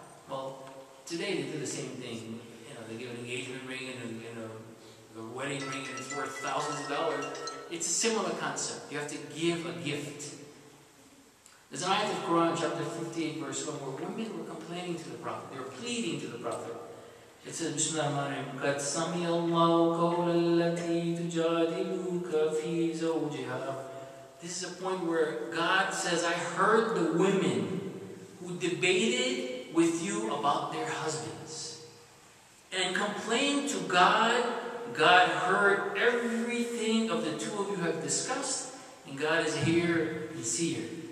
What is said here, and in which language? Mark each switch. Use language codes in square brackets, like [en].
[en] Well, today they do the same thing. You know, they give an engagement ring and a wedding ring and it's worth thousands of dollars. It's a similar concept. You have to give a gift. There's an ayat of Quran, chapter 58, verse 1, where women were complaining to the Prophet. They were pleading to the Prophet. It says, [ar] Bismillah ar-Rahman ar-Rahim, قَدْ سَمِيَ اللَّهُ قَوْلَ الَّتِي تُجَادِلُكَ فِي زَوْجِهَا. [en] This is a point where God says, I heard the women who debated with you about their husbands and complained to God. God heard everything of the two of you have discussed, and God is here and seer.